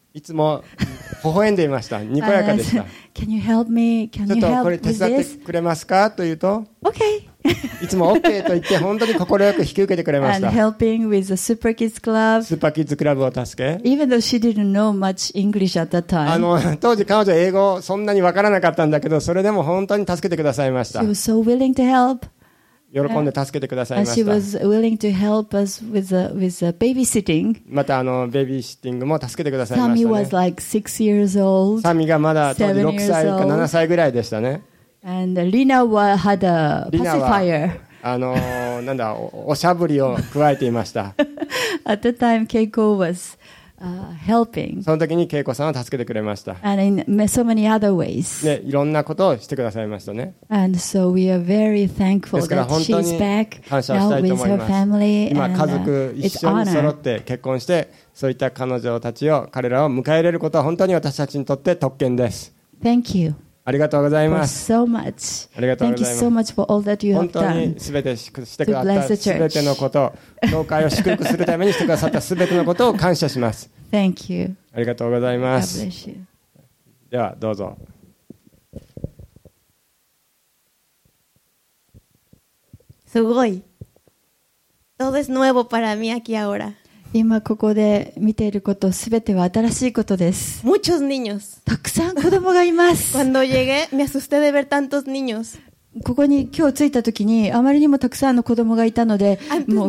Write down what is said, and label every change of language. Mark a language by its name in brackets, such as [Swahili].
[Japanese] いつも微笑んでいました。にこやかでした。 [English] Can you help me? Can you help with this? [Japanese] ちょっとこれ手伝ってくれますかというと、 [English] Okay. [Japanese] いつも OK と言って本当に心よく引き受けてくれました。 [English] And helping with the Super Kids Club. [Japanese] スーパーキッズクラブを助け。 [English] Even though she didn't know much English at that time. [Japanese] 当時彼女は英語そんなにわからなかったんだけど、それでも本当に助けてくださいました。 [English] She was so willing to help. [Japanese] 喜んで助けてくださいました。またベビーシッティングも助けてくださいましたね。 [English] Sammy was like 6 years old. [Japanese] サミがまだ当時6歳か7歳ぐらいでしたね。 [English] And Lina had a pacifier. [Japanese] なんだ、おしゃぶりを加えていました。 [English] At the time, Keiko was helping. [Japanese] その時に Keiko さんは助けてくれました。 [English] And in so many other ways. [Japanese] ね、いろんなことをしてくださいましたね。 [English] And so we are very thankful that she's back now with her family. [Japanese] 今家族一緒に揃って結婚して、そういった彼女たちを彼らを迎え入れることは本当に私たちにとって特権です。 [English] Thank you. [Japanese] ありがとうございます。 [English] So much. [Japanese] ありがとうございます。 [English] Thank you so much for all that you have done. [Japanese] 本当にすべてしてくださったすべてのこと、教会を祝福するためにしてくださったすべてのことを感謝します。 [English] Thank you. [Japanese] ありがとうございます。 [English] God bless you. [Japanese] ではどうぞ。すごい。 [Spanish] Todo es nuevo para mí aquí ahora. [Japanese] 今ここで見ていることすべては新しいことです。 [Spanish] Muchos niños. [Japanese] たくさん子供がいます。 [Spanish] Cuando llegué, me asusté de ver tantos niños. [Japanese] ここに今日着いた時にあまりにもたくさんの子供がいたので、も